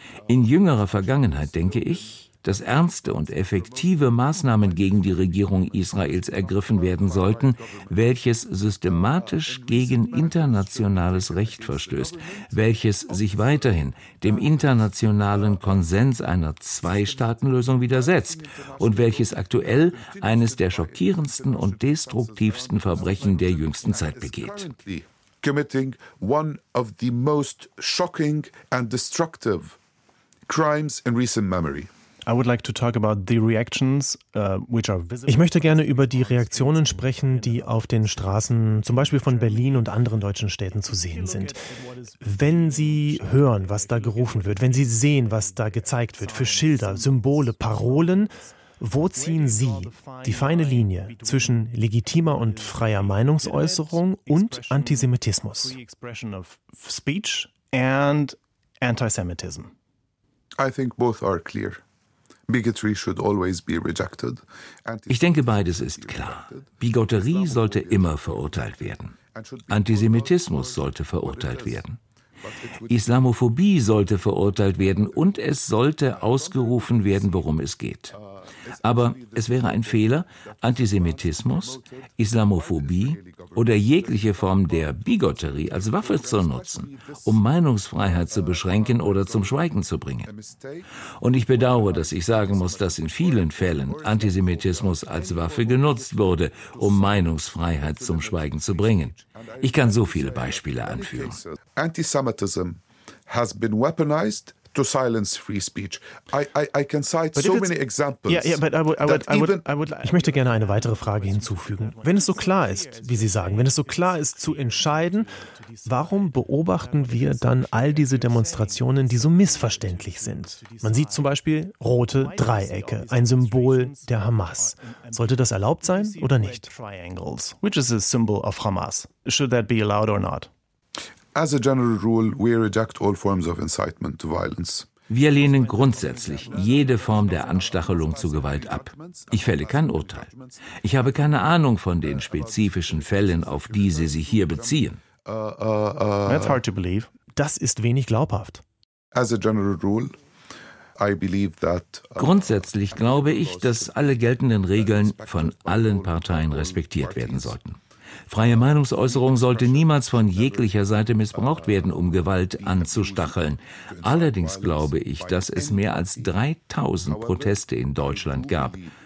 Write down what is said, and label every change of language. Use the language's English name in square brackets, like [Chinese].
[German] In jüngerer Vergangenheit denke ich, dass ernste und effektive Maßnahmen gegen die Regierung Israels ergriffen werden sollten, welches systematisch gegen internationales Recht verstößt, welches sich weiterhin dem internationalen Konsens einer Zwei-Staaten-Lösung widersetzt und welches aktuell eines der schockierendsten und destruktivsten Verbrechen der jüngsten Zeit begeht. [English] Committing one of the most shocking and destructive crimes in recent memory. I would like to talk about the reactions, which are visible. [German] Ich möchte gerne über die Reaktionen sprechen, die auf den Straßen, zum Beispiel von Berlin und anderen deutschen Städten, zu sehen sind. Wenn Sie hören, was da gerufen wird, wenn Sie sehen, was da gezeigt wird, für Schilder, Symbole, Parolen, wo ziehen Sie die feine Linie zwischen legitimer und freier Meinungsäußerung und Antisemitismus? [English] Speech and antisemitism. I think both are clear. Bigotry should always be rejected. [German] Ich denke, beides ist klar. Bigotterie sollte immer verurteilt werden. Antisemitismus sollte verurteilt werden. Islamophobie sollte verurteilt werden und es sollte ausgerufen werden, worum es geht. Aber es wäre ein Fehler, Antisemitismus, Islamophobie oder jegliche Form der Bigotterie als Waffe zu nutzen, um Meinungsfreiheit zu beschränken oder zum Schweigen zu bringen. Und ich bedauere, dass ich sagen muss, dass in vielen Fällen Antisemitismus als Waffe genutzt wurde, um Meinungsfreiheit zum Schweigen zu bringen. Ich kann so viele Beispiele anführen. [English] Antisemitism has been weaponized to silence free speech. I can cite so many examples. Yeah, yeah, but I would. [German] Ich möchte gerne eine weitere Frage hinzufügen. Wenn es so klar ist, wie Sie sagen, wenn es so klar ist zu entscheiden, warum beobachten wir dann all diese Demonstrationen, die so missverständlich sind? Man sieht zum Beispiel rote Dreiecke, ein Symbol der Hamas. Sollte das erlaubt sein oder nicht? [English] Triangles, which is a symbol of Hamas. Should that be allowed or not? As a general rule, we reject all forms of incitement to violence. [German] Wir lehnen grundsätzlich jede Form der Anstachelung zu Gewalt ab. Ich fälle kein Urteil. Ich habe keine Ahnung von den spezifischen Fällen, auf die Sie sich hier beziehen. [English] That's hard to believe. [German] Das ist wenig glaubhaft. [English] As a general rule, I believe that. [German] Grundsätzlich glaube ich, dass alle geltenden Regeln von allen Parteien respektiert werden sollten. Freie Meinungsäußerung sollte niemals von jeglicher Seite missbraucht werden, um Gewalt anzustacheln. Allerdings glaube ich, dass es mehr als 3000 Proteste in Deutschland gab.